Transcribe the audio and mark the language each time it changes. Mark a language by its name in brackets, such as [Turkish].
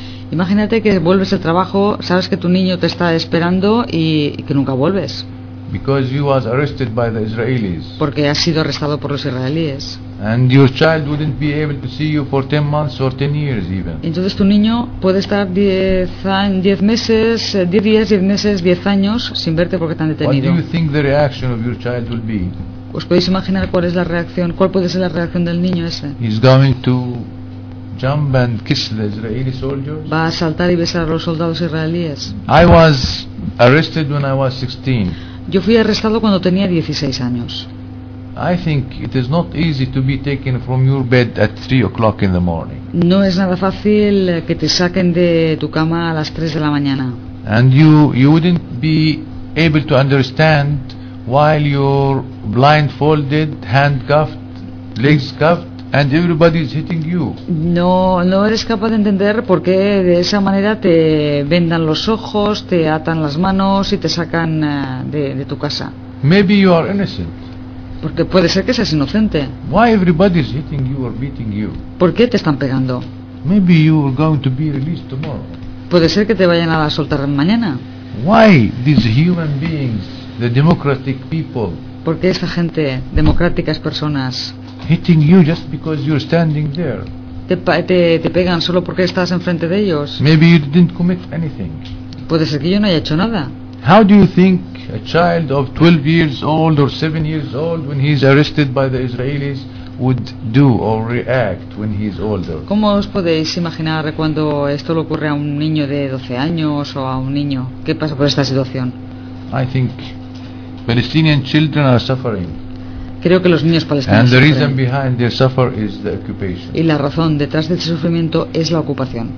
[Spanish] Imagínate que vuelves al trabajo, sabes que tu niño te está esperando y que nunca vuelves. [English] Because you was arrested by the Israelis. [Spanish] Porque has sido arrestado por los israelíes. [English] And your child wouldn't be able to see you for 10 months or 10 years even. [Spanish] Entonces tu niño puede estar 10 años sin verte porque está detenido. [English] What do you think the reaction of your child will be? [Spanish] ¿Os podéis imaginar cuál es la reacción? ¿Cuál puede ser la reacción del niño ese? [English] He's going to jump and kiss the Israeli soldiers. [Spanish] Va a saltar y besar a los soldados israelíes. [English] I was arrested when I was 16. [Spanish] Yo fui arrestado cuando tenía 16 años. [English] I think it is not easy to be taken from your bed at 3 o'clock in the morning. [Spanish] No es nada fácil que te saquen de tu cama a las 3 de la mañana. [English] And you wouldn't be able to understand while you're blindfolded, handcuffed, legs cuffed. And everybody is hitting you. [Spanish] No eres capaz de entender por qué de esa manera te vendan los ojos, te atan las manos y te sacan de tu casa. [English] Maybe you are innocent. [Spanish] Porque puede ser que seas inocente. [English] Why everybody is hitting you or beating you? [Spanish] ¿Por qué te están pegando? [English] Maybe you are going to be released tomorrow. [Spanish] Puede ser que te vayan a soltar mañana. [English] Why these human beings, the democratic people? [Spanish] ¿Por qué esta gente, democráticas personas? [English] Hitting you just because you're standing there. [Spanish] Te pegan solo porque estás enfrente de ellos. [English] Maybe you didn't commit anything. [Spanish] Puede ser que yo no haya hecho nada. [English] How do you think a child of 12 years old or 7 years old when he's arrested by the Israelis would do or react when he's older? [Spanish] ¿Cómo os podéis imaginar cuando esto le ocurre a un niño de 12 años o a un niño? ¿Qué pasa por esta situación? [English] I think Palestinian children are suffering. [Spanish] Creo que los niños palestinos. [English] And the reason behind their suffer is the occupation. [Spanish] Y la razón detrás de ese sufrimiento es la ocupación.